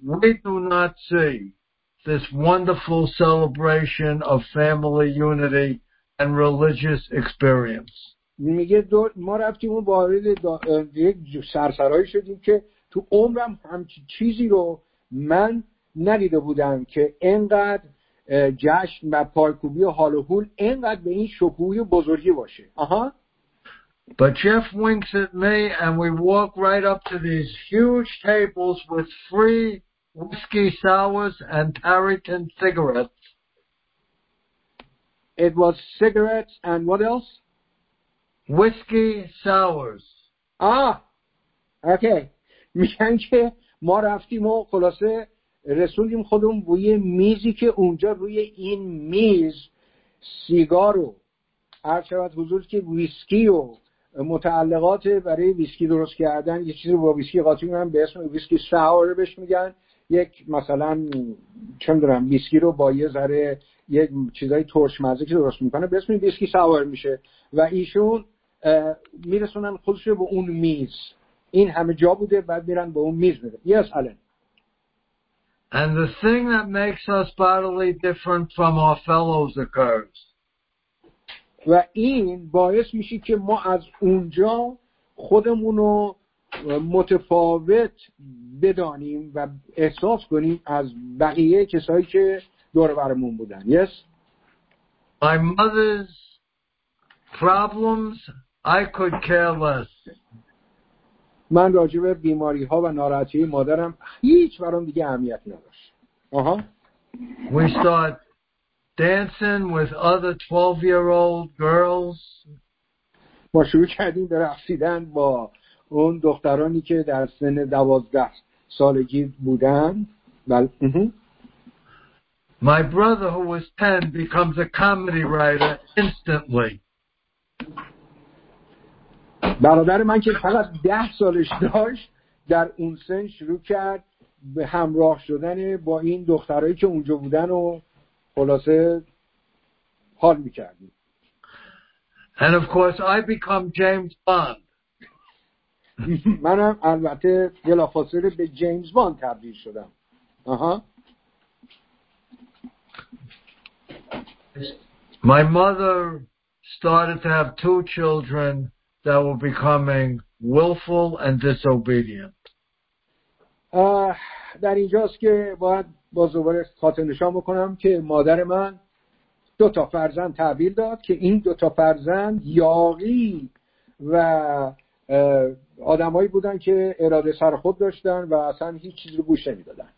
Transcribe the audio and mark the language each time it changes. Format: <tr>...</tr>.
<en>We do not see this wonderful celebration of family unity and religious experience.</en> <fa>میگه ما رفتیم اون وارد یک سرسرایی شدیم که تو عمرم همچین چیزی رو من ندیده بودم که اینقدر جشن و پایکوبی و حال و حول اینقدر به این شکوهی بزرگی باشه.</fa> <en>But Jeff winks at me and we walk right up to these huge tables with free whiskey sours and Tarleton cigarettes. It was cigarettes and what else? Whiskey sours. Ah, okay.</en> <fa>میگن که ما رفتیم و خلاصه رسوندیم خودمون بوی میزی که اونجا روی این میز سیگارو عرض شد حضورت که ویسکی و متعلقات برای ویسکی درست کردن یه چیزی با ویسکی قاطی میگن به اسم ویسکی ساور بهش میگن یک مثلا چه میدونم ویسکی رو با یه ذره یک چیزای ترشمزه که درست میکنه به اسم ویسکی ساور میشه و ایشون میرسونن خودش رو به اون میز این همه جا بوده بعد میرن به اون میز میره</fa> <en>yes, Alan. And the thing that makes us bodily different from our fellows occurs.</en> <fa>و این باعث میشه که ما از اونجا خودمونو متفاوت بدانیم و احساس کنیم از بقیه کسایی که دور برمون بودن</fa> <en>yes? My mother's problems I could care less.</en> <fa>من راجع به بیماری‌ها و ناراحتی مادرم هیچ برام دیگه اهمیت نداشت. آها.</fa> <en>We start dancing with other 12-year-old girls.</en> <fa>ما شروع کردیم به رقصیدن با اون دخترانی که در سن 12 سالگی بودن. بله.</fa> <en>My brother who was 10 becomes a comedy writer instantly.</en> <fa>برادر من که فقط 10 سالش داشت در اون سن شروع کرد به همراه شدن با این دخترایی که اونجا بودن و خلاصه حال می‌کردیم.</fa> <en>And of course I become James Bond.</en> <fa>منم البته بلافاصله به جیمز باند تبدیل شدم. آها.</fa> <en>My mother started to have 2 children that were becoming willful and disobedient.</en> <fa>در اینجاست که باید باز دوباره خاطر نشان بکنم که مادر من دو تا فرزند تحویل داد که این دو تا فرزند یاغی و آدمایی بودن که اراده سر خود داشتن و اصلا هیچ چیز رو گوش نمی‌دادن.</fa>